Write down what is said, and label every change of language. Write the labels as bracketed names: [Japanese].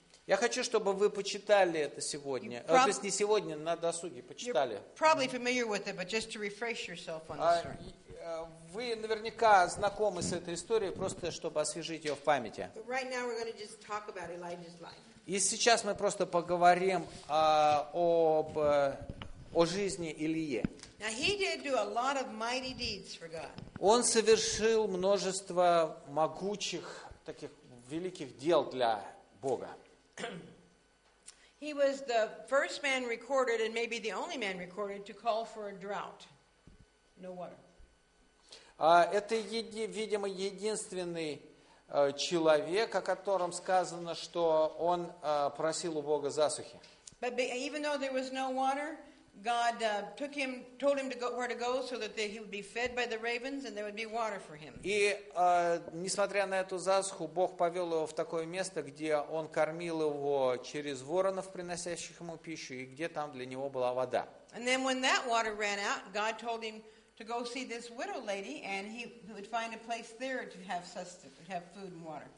[Russian] Я хочу, чтобы вы почитали это сегодня. То есть не сегодня, на досуге почитали. [English] You're probably familiar with it, but just to refresh yourself on the story. [Russian] Вы наверняка знакомы с этой историей, просто чтобы освежить ее в памяти. [English] Right now we're going to just talk about Elijah's life. [Russian] И сейчас мы просто поговорим о жизни Илии. [English] Now he did do a lot of mighty deeds for God. [Russian] Он совершил множество могучих, таких великих дел для Бога. [English] He was the first man recorded, and maybe the only man recorded, to call for a drought. No water. [Russian] Это, видимо, единственный человек, о котором сказано, что он просил у Бога засухи. [English] But even though there was no water, God took him, told him to go, where to go, so that he would be fed by the ravens, and there would be water for him. [Russian] И несмотря на эту засуху, Бог повел его в такое место, где он кормил его через воронов, приносящих ему пищу, и где там для него была вода. [English] And then when that water ran out, God told him to go see this widow lady, and he would find a place there to have sustenance, have food and water.